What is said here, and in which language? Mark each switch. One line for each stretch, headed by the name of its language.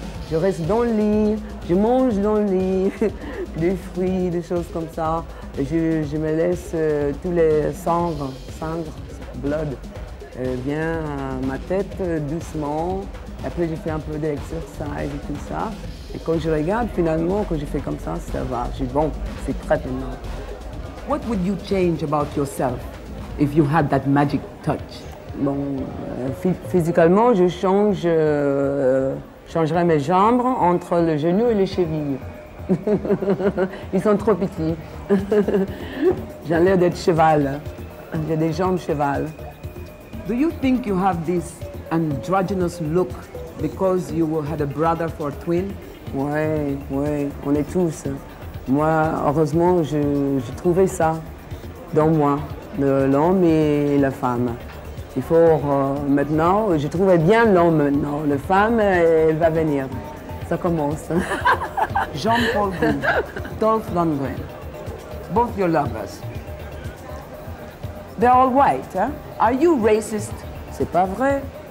French: Je reste dans le lit, je mange dans le lit, des fruits, des choses comme ça. Je me laisse tous les cendres, blood, vient à ma tête doucement. Après, j'ai fait un peu d'exercice et tout ça. Et quand je regarde, finalement, quand je fais comme ça, ça va. Je dis, bon, c'est très bien.
English: What would you change about yourself if you had that magic touch?
French: Bon, physiquement, je change, changerai mes jambes entre le genou et les chevilles. Ils sont trop petits. J'ai l'air d'être cheval. J'ai des jambes cheval.
English: Do you think you have this androgynous look because you had a brother for a twin?
French: Ouais, on est tous. Moi, heureusement, j'ai trouvé ça dans moi, l'homme et la femme. Il faut maintenant, je trouvais bien l'homme maintenant. La femme, elle va venir. Ça commence. Jean-Paul Gould, Dolph Lundgren,
English: both your lovers. They're all white,
French: hein?
English: Huh? Are you racist?
French: C'est pas vrai.